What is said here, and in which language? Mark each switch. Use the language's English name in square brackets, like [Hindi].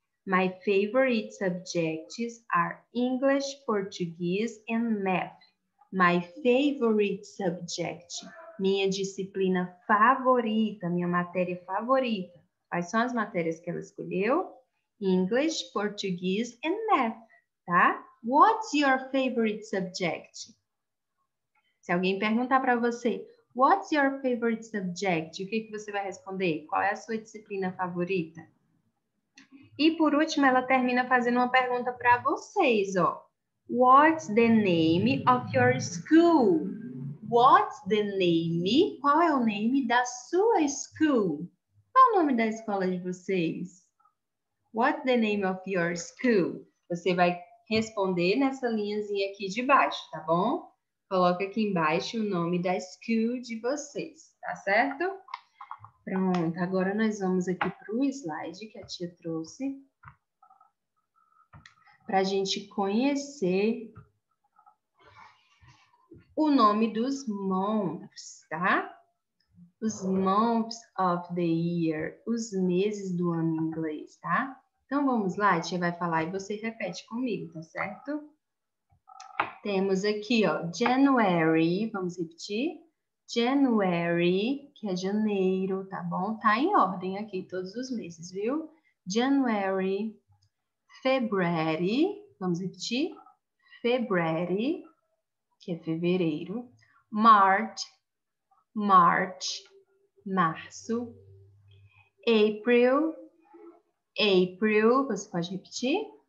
[English] My favorite subjects are English, Portuguese and Math. My favorite subject. [Portuguese] Minha disciplina favorita, minha matéria favorita. Quais são as matérias que ela escolheu? [English] English, Portuguese and Math, tá? What's your favorite subject? [Portuguese] Se alguém perguntar para você, [English] what's your favorite subject? [Portuguese] O que que você vai responder? Qual é a sua disciplina favorita? E por último, ela termina fazendo uma pergunta para vocês, ó. [English] What's the name of your school? What's the name? [Portuguese] Qual é o nome da sua school? Qual é o nome da escola de vocês? [English] What's the name of your school? [Portuguese] Você vai responder nessa linhazinha aqui de baixo, tá bom? Coloca aqui embaixo o nome da school de vocês, tá certo? Pronto, agora nós vamos aqui para o slide que a tia trouxe, para a gente conhecer o nome dos months, tá? Os [English] months of the year, [Portuguese] os meses do ano em inglês, tá? Então vamos lá, a tia vai falar e você repete comigo, tá certo? Temos aqui, ó, January, vamos repetir. January, que é janeiro, tá bom? Tá em ordem aqui todos os meses, viu? January, February, vamos repetir. February, que é fevereiro. March, março. April, você pode repetir.